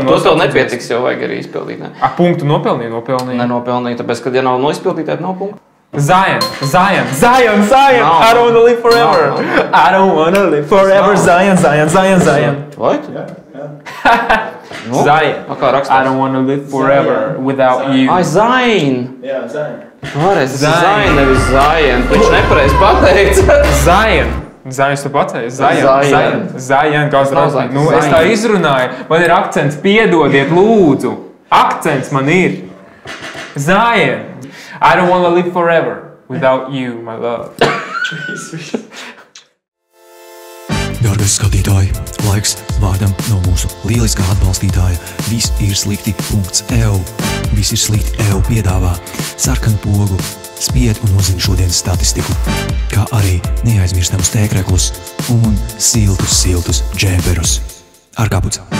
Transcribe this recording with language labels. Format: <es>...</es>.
<lv>Ar to tev nepietiks, jau vajag arī izpildīt, ne? A punktu nopelnīju. Ne nopelnīju, tāpēc, kad ja nav noizpildīt, tad nav punktu. Zion.</lv> <en>I don't wanna live forever. I don't wanna live forever.</en> <lv>Zion.</lv> <en>What?</en> <lv>Zion. Kā rakstās?</lv> <en>I don't wanna live forever without you.</en> <lv>Ai, Zion. Jā, Zion. Varēs, Zion, nevis Zion, viņš nepareiz pateic. Zion, tu pateici? Zion, kāds rādīt. Nu, es tā izrunāju, man ir akcents, piedodiet, lūdzu. Akcents man ir.</lv> <en>Zion, I don't wanna live forever without you, my love.</en> <lv>Dargais skatītāji, laiks vārdam no mūsu lieliskā atbalstītāja Viss ir slikti .eu. Viss ir slikti .eu piedāvā sarkanu pogu, spied un uzzina šodienas statistiku, kā arī neaizmirstamus tēkreklus un siltus džemperus. Ar kāpuc!</lv>